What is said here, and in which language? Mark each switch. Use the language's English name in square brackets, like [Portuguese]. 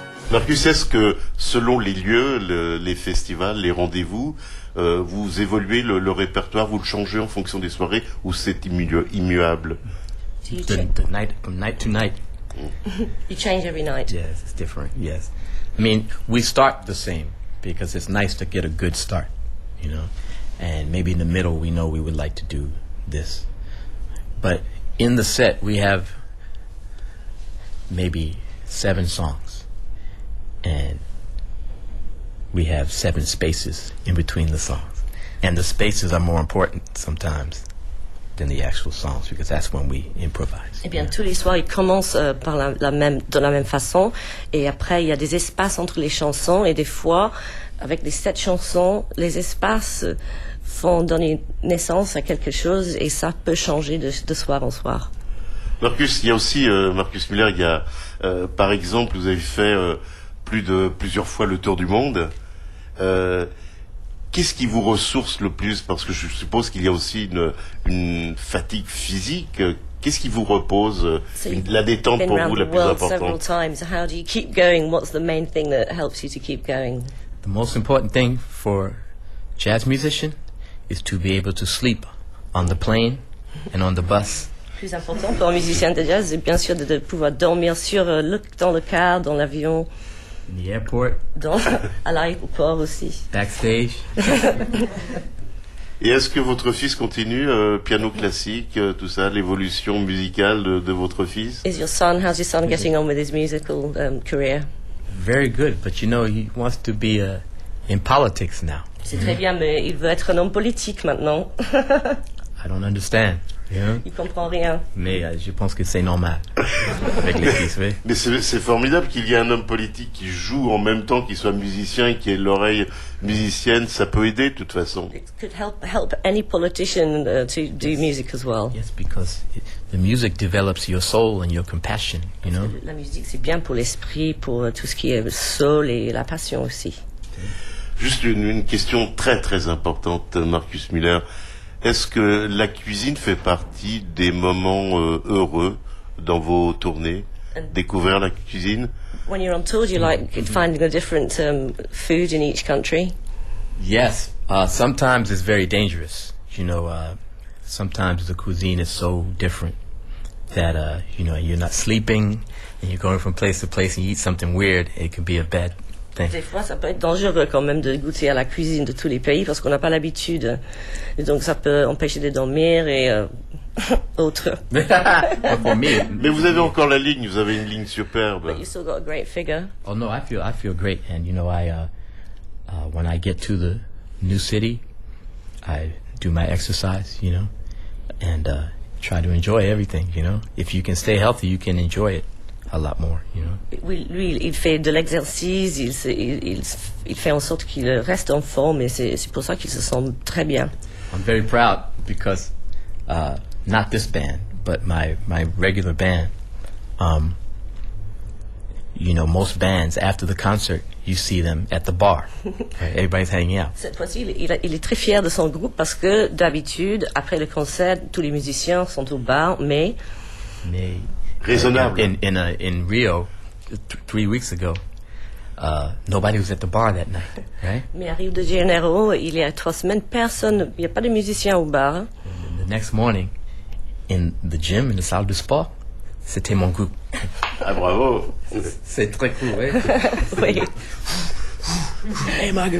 [French] Marcus, est-ce que selon les lieux, les festivals, les rendez-vous, vous évoluez le répertoire, vous le changez en fonction des soirées ou c'est immuable? [English] The night, from night to night. You change every night. Yes, it's different. Yes, I mean we start the same because it's nice to get a good start, you know, and maybe in the middle we know we would like to do this, but in the set we have maybe 7 songs. And we have 7 spaces in between the songs. And the spaces are more important sometimes than the actual songs, because that's when we improvise. [French] Eh bien, yeah. Tous les soirs, ils commencent par la même façon. Et après, il y a des espaces entre les chansons. Et des fois, avec les 7 chansons, les espaces font donner naissance à quelque chose. Et ça peut changer de soir en soir. Marcus, il y a aussi, Marcus Müller, il y a, par exemple, vous avez fait... plusieurs fois le tour du monde. Qu'est-ce qui vous ressource le plus? Parce que je suppose qu'il y a aussi une fatigue physique. Qu'est-ce qui vous repose? La détente pour vous la plus importante. [English] So how do you keep going? What's the main thing that helps you to keep going? The most important thing for jazz musician is to be able to sleep on the plane and on the bus. [French] Plus important pour un musicien de jazz, c'est bien sûr de pouvoir dormir sur dans le car, dans l'avion. [English] In the airport. [French] Donc, à l'aéroport aussi. [English] Backstage. [French] Et est-ce que votre fils continue piano classique, tout ça, l'évolution musicale de votre fils? [English] Is your son, how's your son getting on with his musical career? Very good, but you know, he wants to be in politics now. [French] C'est très bien, mais il veut être un homme politique maintenant. [English] I don't understand. [French] Yeah. Il comprend rien. Mais je pense que c'est normal. Avec les fils, oui. Mais c'est formidable qu'il y ait un homme politique qui joue en même temps qu'il soit musicien et qui ait l'oreille musicienne. Ça peut aider de toute façon. [English] It could help any politician to do music as well. Yes, because the music develops your soul and your compassion. You know. [French] La musique c'est bien pour l'esprit, pour tout ce qui est soul et la passion aussi. Juste une question très très importante, Marcus Müller. Est-ce que la cuisine fait partie des moments heureux dans vos tournées? Découvrir la cuisine? [English] When you're on tour, do you like finding a different food in each country? Yes, sometimes it's very dangerous. You know, sometimes the cuisine is so different that you know, you're not sleeping and you're going from place to place and you eat something weird, it can be a bad thing. [French] Des fois, ça peut être dangereux quand même de goûter à la cuisine de tous les pays parce qu'on n'a pas l'habitude. Et donc, ça peut empêcher de dormir et autre. Mais vous avez encore la ligne. Vous avez une ligne superbe. [English] But you still got a great figure. Oh no, I feel great. And you know, I when I get to the new city, I do my exercise, you know, and try to enjoy everything, you know. If you can stay healthy, you can enjoy it. A lot more, you know. [French] Oui, lui, il fait de l'exercice, il fait en sorte qu'il reste en forme et c'est pour ça qu'il se sent très bien. [English] I'm very proud because not this band, but my regular band. You know, most bands after the concert, you see them at the bar. Everybody's hanging out. [French] Cette fois-ci, il est très fier de son groupe parce que d'habitude après le concert, tous les musiciens sont au bar, mais raisonnable. [English] In Rio, 3 weeks ago, nobody was at the bar that night, right? [French] Mais à Rio de Janeiro, il y a 3 semaines, personne, il n'y a pas de musicien au bar. [English] And the next morning, in the gym, in the [French] salle de sport, c'était mon groupe. Ah, bravo! C'est très cool, oui. Hey,